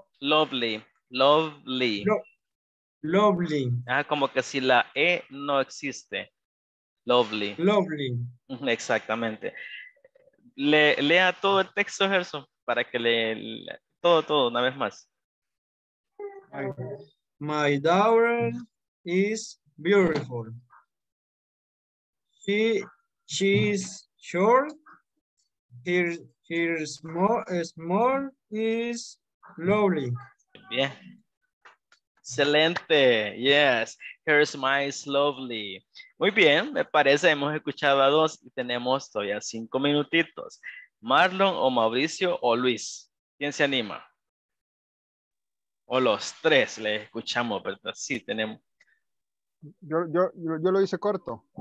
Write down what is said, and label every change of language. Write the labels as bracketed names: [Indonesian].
[English] Lovely, lovely. Lovely. [Spanish] Ah, como que si la E no existe. [English] Lovely. Lovely. [Spanish] Exactamente. Lea todo el texto, Gerson, para que lea todo, una vez más. [English] My daughter is beautiful. She is short. Her small is lovely. [Spanish] Bien. Excelente, [English] yes, her smile is lovely. [Spanish] Muy bien, me parece, hemos escuchado a dos y tenemos todavía 5 minutitos. Marlon o Mauricio o Luis, ¿quién se anima? O los tres, les escuchamos, pero sí tenemos. Yo lo hice corto.